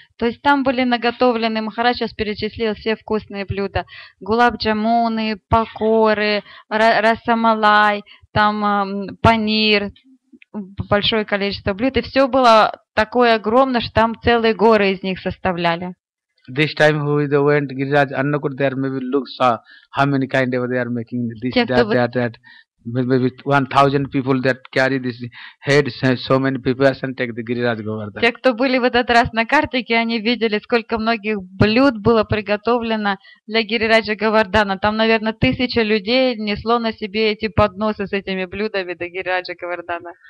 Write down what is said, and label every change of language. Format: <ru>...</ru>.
<ru>То есть там были наготовлены, Махарадж сейчас перечислил все вкусные блюда. Гулаб-джамуны, пакоры, расамалай, там панир, большое количество блюд. И все было такое огромное, что там целые горы из них составляли.</ru> <en>This time who is the went to Giriraj Annakut, there maybe looks how many kind of they are making this, that. Maybe 1,000 people that carry this head, so many people and take the Giriraj Govardhan.</en> <ru>Те, кто были в этот раз на картике, они видели, сколько многих блюд было приготовлено для Гирираджа Говардана. Там, наверное, 1000 людей несло на себе эти подносы с этими блюдами до Гирираджа Говардана.</ru>